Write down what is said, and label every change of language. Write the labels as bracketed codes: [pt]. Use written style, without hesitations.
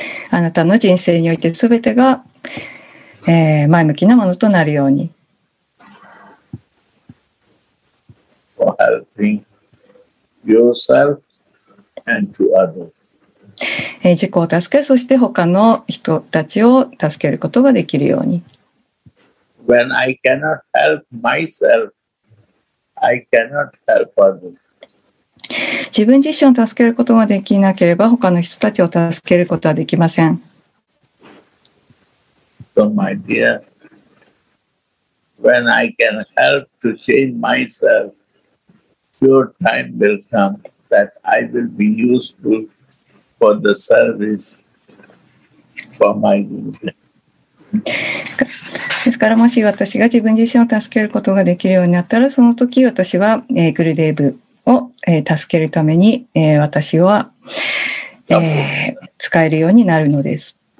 [ja] あなたの人生においてすべてが、前向きなものとなるように。 [en] For helping yourself and to others. [ja] 自己を助け、そして他の人たちを助けることができるように。 [en] When I cannot help myself, I cannot help others. [ja] 自分自身を助けることができなければ他の人たちを助けることはできません。 [en] So my dear, when I can help to change myself, your time will come that I will be useful for the service for my guru. [ja] ですからもし私が自分自身を助けることができるようになったら、その時私は、グルデーブを、助けるために、私は、使えるようになるのです。